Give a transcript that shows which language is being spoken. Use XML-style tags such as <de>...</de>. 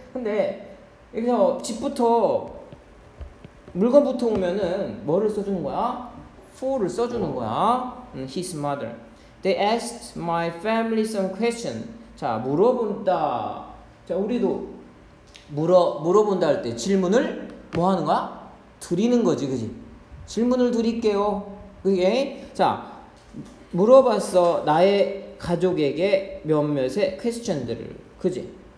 <ko>근데 여기서 집부터 물건부터 오면은 뭐를 써주는 거야? For를 써주는 거야.</ko> <en>His mother. They asked my family some question.</en> <ko>자, 물어본다. 자, 우리도 물어본다 할때 질문을 뭐 하는 거야? 드리는 거지, 그지? 질문을 드릴게요. 그게 자, 물어봤어. 나의 가족에게 몇몇의 questions들을. 그지?</ko>